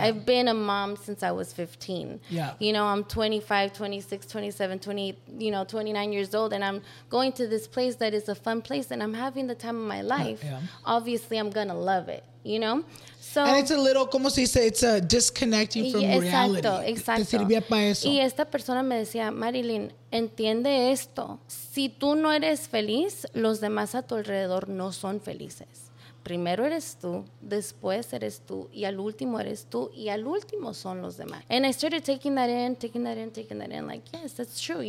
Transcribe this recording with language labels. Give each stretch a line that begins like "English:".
English: Yeah. I've been a mom since I was 15. Yeah. You know, I'm 25, 26, 27, 28, you know, 29 years old. And I'm going to this place that is a fun place. And I'm having the time of my life. Yeah. Obviously, I'm going to love it. You know? So, and it's a little,
Spanish: como se dice,
English: it's a disconnecting from
Spanish: exacto,
English: reality.
Spanish: Exacto. Te sirvía para eso. Y esta persona me decía, Marilyn, entiende esto. Si tú no eres feliz, los demás a tu alrededor no son felices. Primero eres tú, después eres tú, y al último eres tú, y al último son los demás.
English: And I started taking that in, like, yes, that's true.